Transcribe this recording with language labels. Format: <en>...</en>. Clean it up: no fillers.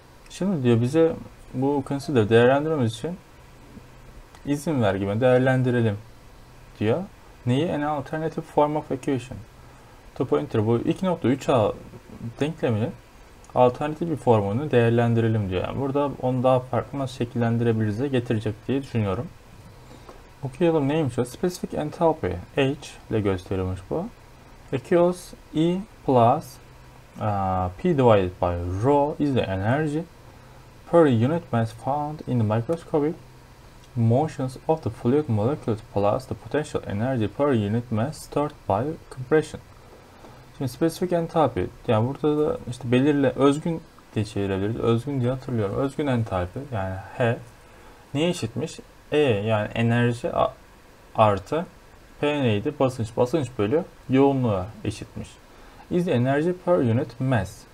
<tr>Şimdi diyor bize bu consider değerlendirmemiz için izin ver gibi değerlendirelim diyor. Neyi?</tr> <en>An alternative form of equation.</en> <tr>2.3 bu 2.3a denklemini alternatif bir formunu değerlendirelim diyor. Yani burada onu daha farklı nasıl şekillendirebiliriz de getirecek diye düşünüyorum. Okuyalım neymiş o? Specific enthalpy H ile gösterilmiş bu.</tr> <en>Equals E plus P divided by rho is the energy per unit mass found in the microscopic motions of the fluid molecules plus the potential energy per unit mass stored by compression.</en> <tr>Şimdi specific enthalpy, yani burada da işte belirli özgün diye çevirebiliriz. Özgün diye hatırlıyorum. Özgün enthalpy yani H neye eşitmiş? E yani enerji artı P neydi? Basınç. Basınç bölü yoğunluğa eşitmiş.</tr> <en>Is energy per unit mass.</en>